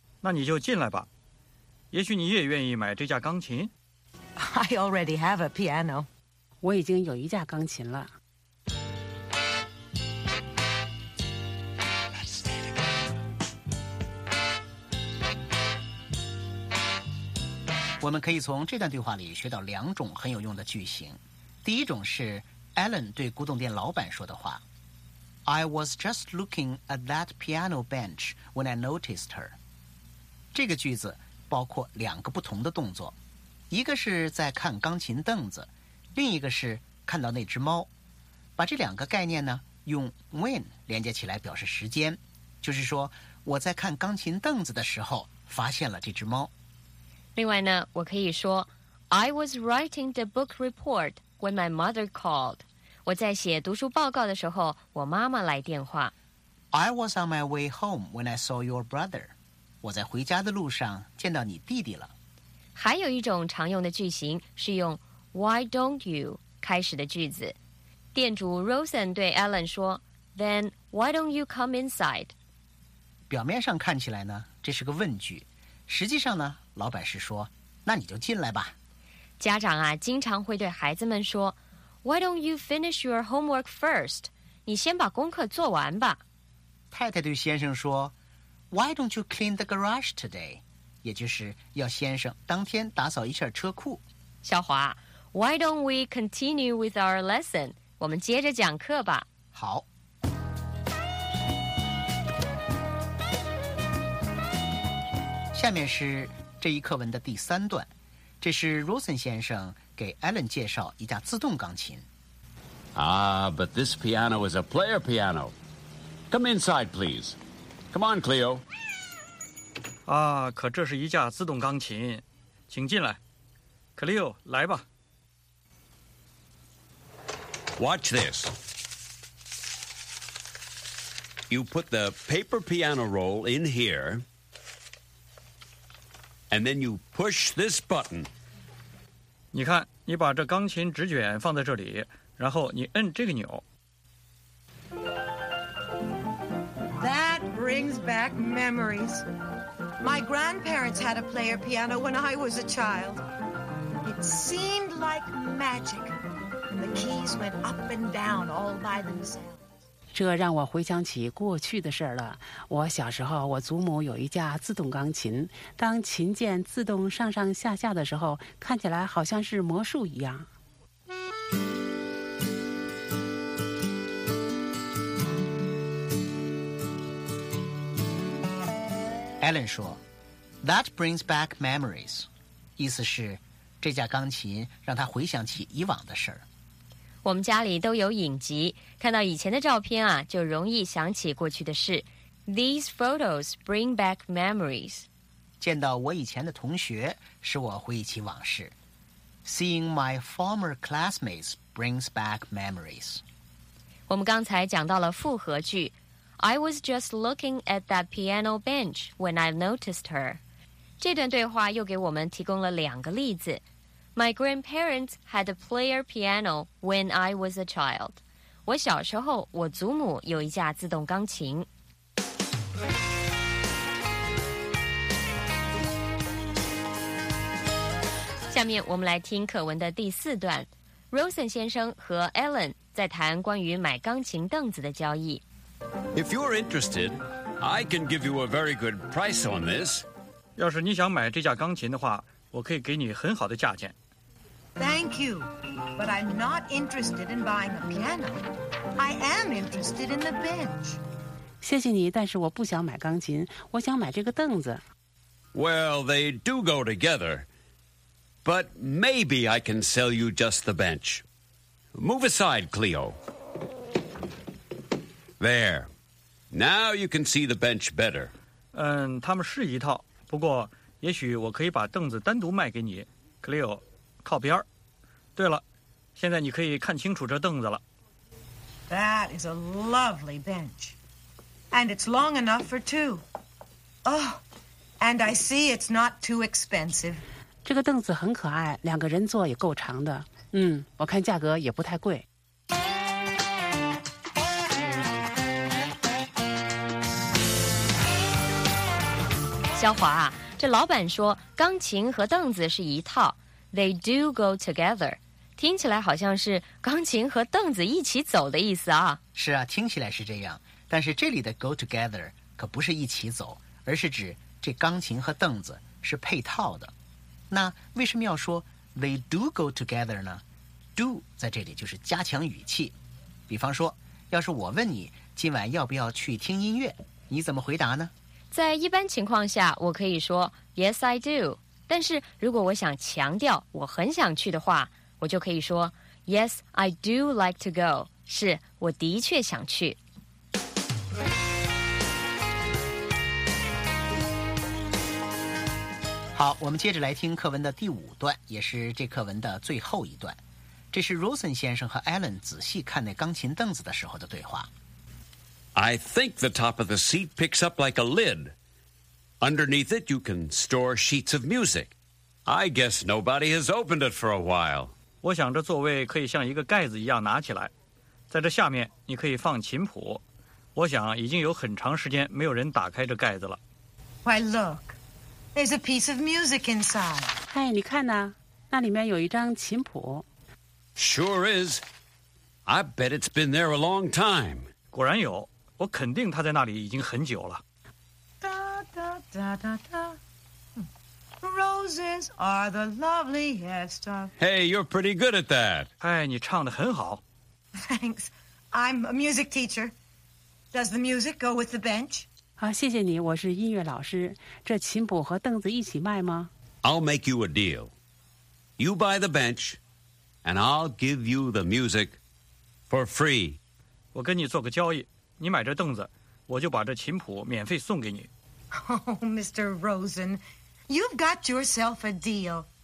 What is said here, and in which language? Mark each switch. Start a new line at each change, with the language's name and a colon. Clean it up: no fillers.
Chinese: 那你就进来吧。也许你也愿意买这架钢琴。
English: I already have a piano.
Chinese: 我已经有一架钢琴了。我们可以从这段对话里学到两种很有用的句型。第一种是 Alan 对古董店老板说的话。
English: I was just looking at that piano bench when I noticed her.
Chinese: 这个句子包括两个不同的动作，一个是在看钢琴凳子，另一个是看到那只猫。把这两个概念呢，用 when 连接起来表示时间，就是说我在看钢琴凳子的时候发现了这只猫。另外呢，我可以说
English: I was writing the book report when my mother called.
Chinese: 我在写读书报告的时候，我妈妈来电话。
English: I was on my way home when I saw your brother.
Chinese: 我在回家的路上见到你弟弟了。还有一种常用的句型是用 Why don't you 开始的句子。店主 Rosen 对 Alan 说
English: Then why don't you come inside?
Chinese: 表面上看起来呢，这是个问句。实际上呢，老板是说那你就进来吧。家长啊，经常会对孩子们说
English: Why don't you finish your homework first?
Chinese: 你先把功课做完吧。太太对先生说
English: Why don't you clean the garage today?
Chinese: 也就是要先生当天打扫一下车库。
English: 小华 Why don't we continue with our lesson?
Chinese: 我们接着讲课吧。好。下面是这一课文的第三段。这是 Rosen 先生给 Alan 介绍一架自动钢琴。
English: Ah, but this piano is a player piano. Come inside, please. Come on, Cleo.
Chinese: 啊，可这是一架自动钢琴，请进来。 Cleo, 来吧。
English: Watch this. You put the paper piano roll in here, and then you push this button.
Chinese: 你看，你把这钢琴纸卷放在这里，然后你摁这个钮。
English: That brings back memories. My grandparents had a player piano when I was a child. It seemed like magic. The keys went up and down all by themselves.
Chinese: 这让我回想起过去的事了。我小时候，我祖母有一架自动钢琴，当琴键自动上上下下的时候，看起来好像是魔术一样。 Alan 说 ，
English: That brings back memories，
Chinese: 意思是这架钢琴让他回想起以往的事儿。我们家里都有影集，看到以前的照片啊，就容易想起过去的事。
English: These photos bring back memories.
Chinese: 见到我以前的同学使我回忆起往事。
English: Seeing my former classmates brings back memories.
Chinese: 我们刚才讲到了复合句。
English: I was just looking at that piano bench when I noticed her.
Chinese: 这段对话又给我们提供了两个例子。
English: My grandparents had a player piano when I was a child.
Chinese: 我小时候我祖母有一架自动钢琴。下面我们来听课文的第四段。Rosen 先生和 Alan 在谈关于买钢琴凳子的交易。
English: If you're interested, I can give you a very good price on this.
Chinese: 要是你想买这架钢琴的话，我可以给你很好的价钱。
English: Thank you, but I'm not interested in buying a piano. I am interested in the bench.
Chinese: 谢谢你，但是我不想买钢琴，我想买这个凳子。
English: Well, they do go together. But maybe I can sell you just the bench. Move aside, Cleo. There. Now you can see the bench better.
Chinese: 他们是一套，不过也许我可以把凳子单独卖给你，克利奥，靠边儿。对了，现在你可以看清楚这凳子了。
English: That is a lovely bench. And it's long enough for two. Oh, and I see it's not too expensive.
Chinese: 这个凳子很可爱，两个人坐也够长的。嗯，我看价格也不太贵。小华啊，这老板说钢琴和凳子是一套，
English: They do go together，
Chinese: 听起来好像是钢琴和凳子一起走的意思啊。是啊，听起来是这样，但是这里的 go together 可不是一起走，而是指这钢琴和凳子是配套的。那为什么要说
English: They do go together
Chinese: 呢？ Do 在这里就是加强语气。比方说，要是我问你今晚要不要去听音乐，你怎么回答呢？在一般情况下我可以说
English: Yes, I do，
Chinese: 但是如果我想强调我很想去的话，我就可以说
English: Yes, I do like to go，
Chinese: 是我的确想去。好，我们接着来听课文的第五段，也是这课文的最后一段。这是 Rosen 先生和 Alan 仔细看那钢琴凳子的时候的对话。
English: I think the top of the seat picks up like a lid. Underneath it, you can store sheets of music. I guess nobody has opened it for a while.
Chinese: 我想这座位可以像一个盖子一样拿起来，在这下面你可以放琴谱。我想已经有很长时间没有人打开这盖子了。
English: Why look? There's a piece of music inside.
Chinese: 哎，你看呢？那里面有一张琴谱。
English: Sure is. I bet it's been there a long time.
Chinese: 果然有，我肯定他在那里已经很久了。
English: 哒哒哒哒 ，Roses are the loveliest of. Hey, you're pretty good at that.
Chinese: 哎，你唱得很好。
English: Thanks, I'm a music teacher. Does the music go with the bench?
Chinese: 好，谢谢你，我是音乐老师。这琴谱和凳子一起卖吗
English: ？I'll make you a deal. You buy the bench, and I'll give you the music for free.
Chinese: 我跟你做个交易，你买这凳子，我就把这琴谱免费送给你。
English: Oh, Mr. Rosen, you've got yourself a deal.